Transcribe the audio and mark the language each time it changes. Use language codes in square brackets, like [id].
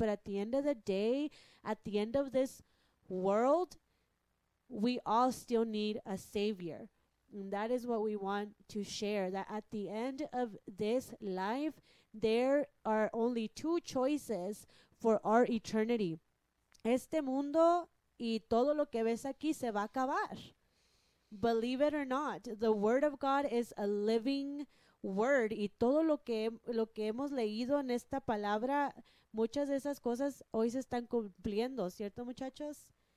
[en] But at the end of the day, at the end of this world, we all still need a savior. And that is what we want to share, that at the end of this life, there are only two choices for our eternity. [es] Este mundo y todo lo que ves aquí se va a acabar. [en] Believe it or not, the word of God is a living word. [es] Y todo lo que hemos leído en esta palabra, muchas de esas cosas hoy se están cumpliendo, ¿cierto, muchachos?